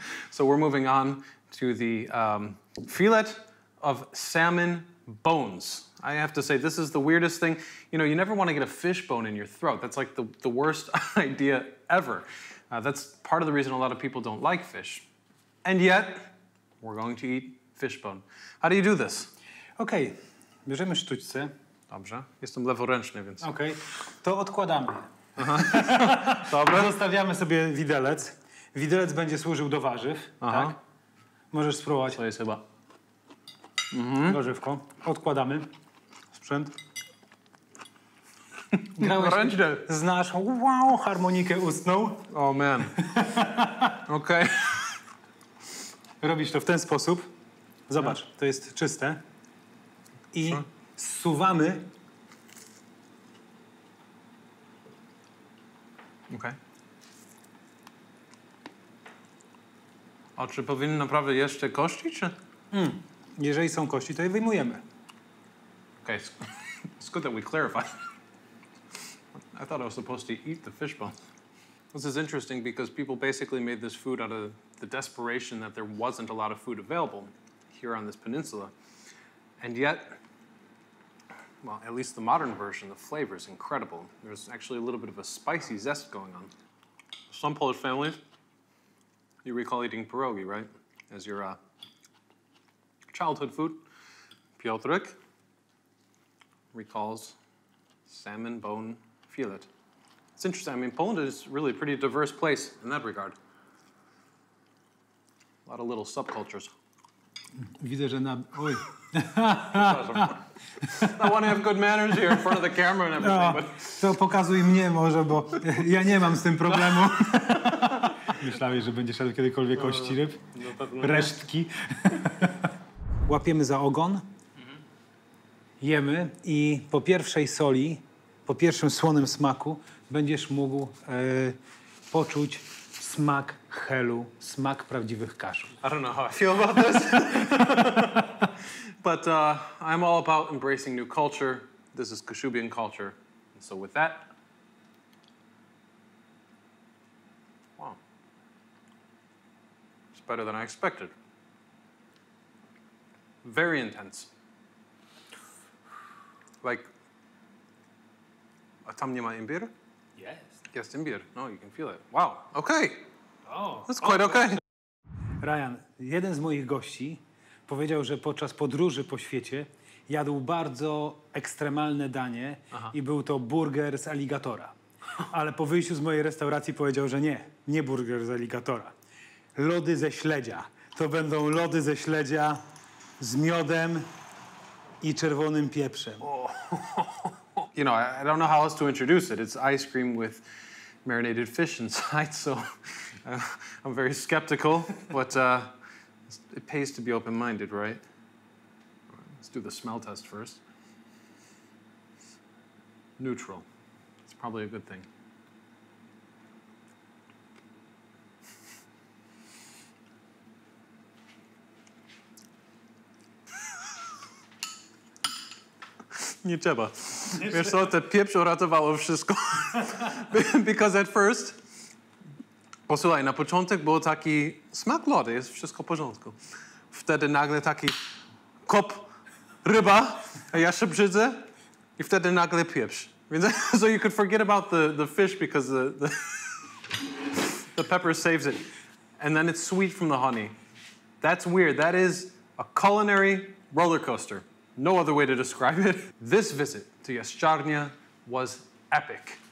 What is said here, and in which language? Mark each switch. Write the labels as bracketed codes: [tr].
[en] So we're moving on to the fillet of salmon bones. I have to say, this is the weirdest thing. You know, you never want to get a fish bone in your throat. That's like the worst idea ever. That's part of the reason a lot of people don't like fish. And yet, we're going to eat fish bone. How do you do this? [pl] Okay, bierzemy sztućce. Dobrze, jestem leworęczny, więc... Okay, to odkładamy. Dobra. Zostawiamy sobie widelec. Widelec będzie służył do warzyw, aha, tak? Możesz spróbować. To jest chyba. Warzywko. Odkładamy. Sprzęt. Grałeś z naszą, wow, harmonikę ustną. [en] Oh man. Okej. [pl] Okay. Robisz to w ten sposób. Zobacz, yeah, to jest czyste. I zsuwamy. Okej. Okay. A czy powinny naprawdę jeszcze kości, czy? Jeżeli są kości, to je wyjmujemy. [en] Okay, it's good that we clarified. I thought I was supposed to eat the fish bone. This is interesting because people basically made this food out of the desperation that there wasn't a lot of food available here on this peninsula. And yet, well, at least the modern version, the flavor is incredible. There's actually a little bit of a spicy zest going on. Some Polish families, you recall eating pierogi, right? As your childhood food. Piotrek recalls salmon bone fillet. It's interesting, I mean, Poland is really a pretty diverse place in that regard. A lot of little subcultures. [pl] Widzę, że na... Oj. [en] I want to have good manners here in front of the camera and everything, no, but... [pl] To pokazuj mnie może, bo ja nie mam z tym problemu. Myślałeś, że będziesz jadł kiedykolwiek kości ryb? Resztki. Łapiemy za ogon. Jemy i po pierwszej soli, po pierwszym słonym smaku, będziesz mógł poczuć smak helu, smak prawdziwych kaszu. [en] I don't know how I feel about this. But I'm all about embracing new culture. This is Kashubian culture. And so with that... better than I expected. Very intense. [pl] Like, a tam nie ma imbir? [en] Yes. Yes, imbir. No, you can feel it. Wow, okay. Oh. That's quite okay. [pl] Ryan, jeden z moich gości powiedział, że podczas podróży po świecie jadł bardzo ekstremalne danie, aha, i był to burger z aligatora. Ale po wyjściu z mojej restauracji powiedział, że nie, nie burger z aligatora. Lody ze śledzia. To będą lody ze śledzia z miodem i czerwonym pieprzem. Oh. [en] You know, I don't know how else to introduce it. It's ice cream with marinated fish inside, so I'm very skeptical, but it pays to be open-minded, right? Let's do the smell test first. Neutral. It's probably a good thing. [pl] Nie trzeba. Wiesz co, te pieprze uratowało wszystko. [en] Because at first... [pl] Posłuchaj, na początek było taki smak lody, jest wszystko w porządku. Wtedy nagle taki kop ryba, a ja się brzydzę. I wtedy nagle pieprz. [en] So you could forget about the fish because the pepper saves it. And then it's sweet from the honey. That's weird, that is a culinary roller coaster. No other way to describe it. This visit to Jaszczarnia was epic.